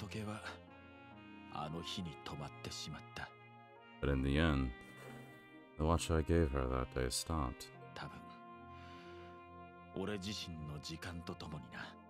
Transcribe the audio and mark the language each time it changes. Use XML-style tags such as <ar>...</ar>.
<ja>だが、結局、あいつに渡した時計は、あの日に止まってしまった。</ja> <en>But in the end, the watch I gave her that day stopped.</en> <ja>多分、俺自身の時間とともにな。</ja>